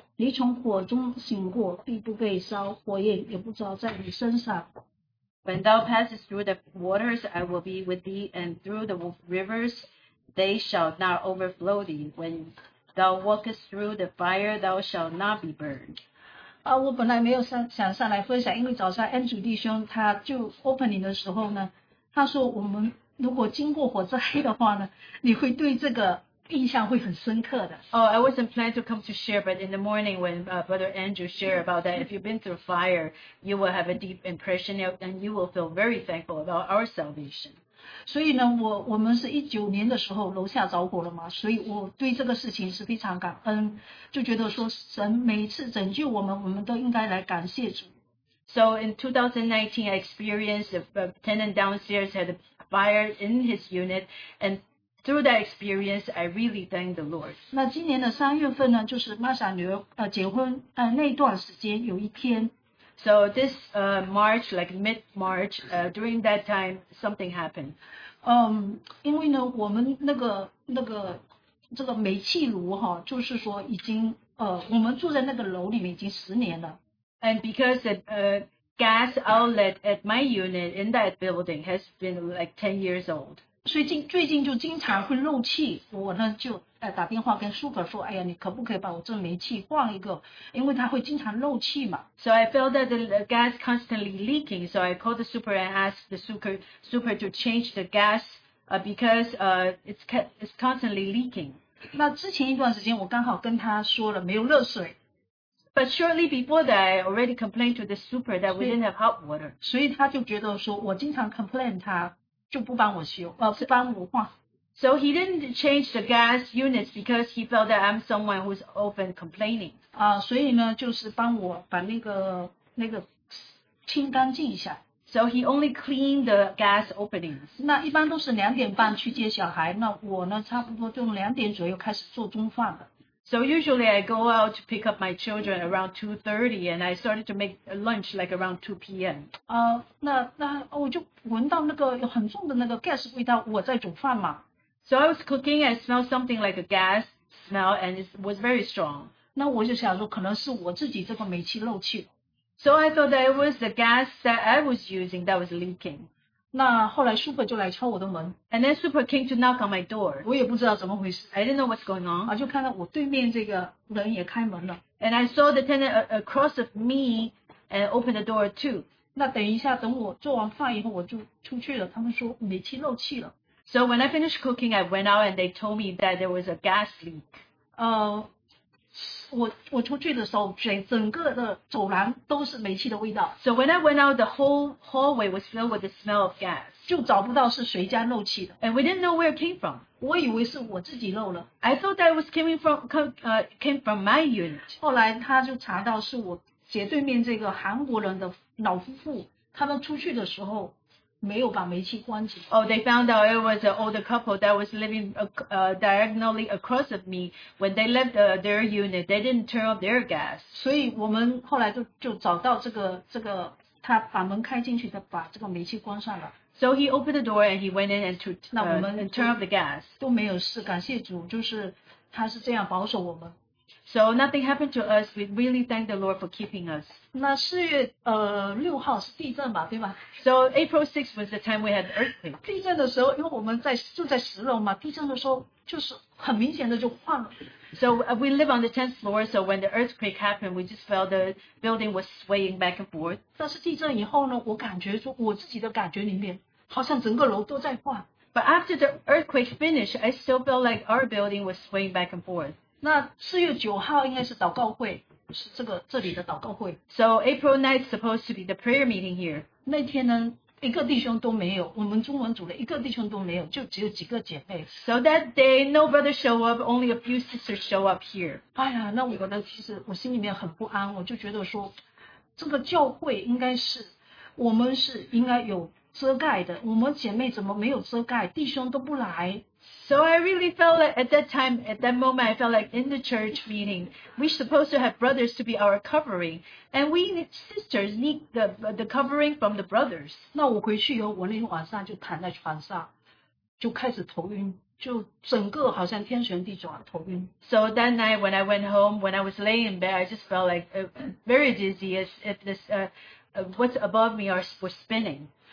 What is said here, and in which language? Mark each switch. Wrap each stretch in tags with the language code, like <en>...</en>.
<zh>你从火中醒过，必不被烧，火焰也不着在你身上。</zh> <en>When thou passest through the waters, I will be with thee, and through the rivers, they shall not overflow thee. When thou walkest through the fire, thou shalt not be burned.</en> <zh>我本来没有想上来分享，因为早上 Andrew 弟兄他就 opening 的时候呢，他说我们如果经过火灾的话呢，你会对这个印象会很深刻的。</zh> <en>Oh, I wasn't planned to come to share, but in the morning when Brother Andrew shared about that, if you've been through fire, you will have a deep impression and you will feel very thankful about our salvation.</en> <zh>所以呢，我们是19年的时候楼下着火了嘛，所以我对这个事情是非常感恩，就觉得说神每一次拯救我们，我们都应该来感谢主。</zh> <en>So in 2019, I experienced a tenant downstairs had a fire in his unit andThrough that experience, I really thank the Lord.</en> <zh>那今年的三月份呢，就是玛莎女儿结婚那段时间，有一天。</zh> <en>So this March, like mid March, during that time, something happened.</en> <zh>因为呢，我们那个这个煤气炉哈，就是说已经我们住在那个楼里面已经十年了。</zh> <en>And because it gas outlet at my unit in that building has been like 10 years old.</en> <zh>所以最近就经常会漏气，我呢就打电话跟 Super 说，哎呀，你可不可以把我这煤气换一个？因为它会经常漏气嘛。</zh> <en>So I felt that the gas constantly leaking, so I called the Super and asked the Super to change the gas, because it's constantly leaking.</en> <zh>那之前一段时间我刚好跟他说了没有热水。</zh> <en>But shortly before that, I already complained to the Super that we didn't have hot water.</en> <zh>所以他就觉得说我经常 complain 他。就不帮我修，不帮我换。</zh> <en>So he didn't change the gas units because he felt that I'm someone who's often complaining.</en> <zh>所以呢，就是帮我把那个清干净一下。</zh> <en>So he only cleaned the gas openings.</en> <zh>那一般都是两点半去接小孩，那我呢，差不多就两点左右开始做中饭了。</zh> <en>So usually I go out to pick up my children around 2:30 and I started to make lunch like around 2 p.m.</en> <zh>那我就闻到那个很重的那个 gas 味道，我在煮饭嘛。</zh> <en>So I was cooking and smelled something like a gas smell and it was very strong.</en> <zh>那我就想说可能是我自己这个煤气漏气。</zh> <en>So I thought that it was the gas that I was using that was leaking.</en> <zh>那后来 Super 就来敲我的门。</zh> <en>And then Super came to knock on my door.</en> <zh>我也不知道怎么回事。</zh> <en>I didn't know what's going on.</en> <zh>就看到我对面这个人也开门了。</zh> <en>And I saw the tenant across of me and opened the door too.</en> <zh>那等一下等我做完饭以后我就出去了，他们说煤气漏气了。</zh> <en>So when I finished cooking, I went out and they told me that there was a gas leak.</en> <zh>我出去的时候，整个的走廊都是煤气的味道。</zh> <en>So when I went out, the whole hallway was filled with the smell of gas.</en> <zh>就找不到是谁家漏气的。</zh> <en>And we didn't know where it came from.</en> <zh>我以为是我自己漏了。</zh> <en>I thought that it was came from my unit.</en> <zh>后来他就查到是我斜对面这个韩国人的老夫妇，他们出去的时候没有把煤气关紧。</zh> <en>Oh, they found out it was an older couple that was living diagonally across of me. When they left their unit, they didn't turn off their gas.</en> <zh>所以我们后来就找到这个，他把门开进去，他把这个煤气关上了。</zh> <en>So he opened the door and he went in and turn off the gas.</en> <zh>都没有事，感谢主，就是他是这样保守我们。</zh> <en>So nothing happened to us. We really thank the Lord for keeping us.</en> <zh>那四月六号是地震吧，对吧</zh> <en>？So April 6th was the time we had earthquake.</en> <zh>地震的时候，因为我们住在十楼嘛，地震的时候就是很明显的就晃了。</zh> <en>So we live on the 10th floor. So when the earthquake happened, we just felt the building was swaying back and forth.</en> <zh>但是地震以后呢，我感觉说我自己的感觉里面好像整个楼都在晃。</zh> <en>But after the earthquake finished, I still felt like our building was swaying back and forth.</en> <zh>那四月九号应该是祷告会，是这里的祷告会。</zh> <en>So April 9th supposed to be the prayer meeting here.</en> <zh>那天呢，一个弟兄都没有，我们中文组的一个弟兄都没有，就只有几个姐妹。</zh> <en>So that day, no brother show up, only a few sisters show up here.</en> <zh>哎呀，那我呢，其实我心里面很不安，我就觉得说，这个教会应该是，我们是应该有遮盖的，我们姐妹怎么没有遮盖，弟兄都不来。</zh> <en>So I really felt like at that moment, I felt like in the church meeting, we're supposed to have brothers to be our covering, and we sisters need the covering from the brothers.</en> <zh>那我回去以后，我那天晚上就躺在床上，就开始头晕，</zh> <en>So that night when I went home, when I was laying in bed, I just felt like very dizzy, as if this what's above me was spinning.</en>